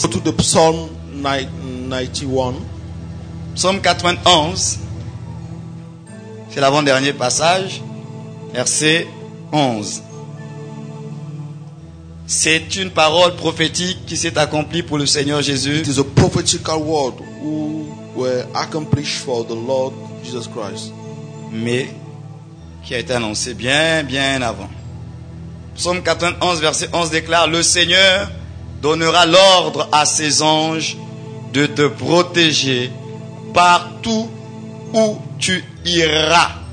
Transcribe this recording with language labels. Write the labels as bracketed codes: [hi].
[en] Go to the psalm 91. [fr] Psaume 91. C'est l'avant-dernier passage. Verset 11. C'est une parole prophétique qui s'est accomplie pour le Seigneur Jésus. [en] It is a prophetical word who were accomplished for the Lord Jesus Christ. [fr] Mais qui a été annoncé bien avant. Psaume 91 verset 11 déclare: Le Seigneur donnera l'ordre à ses anges de te protéger partout où tu iras.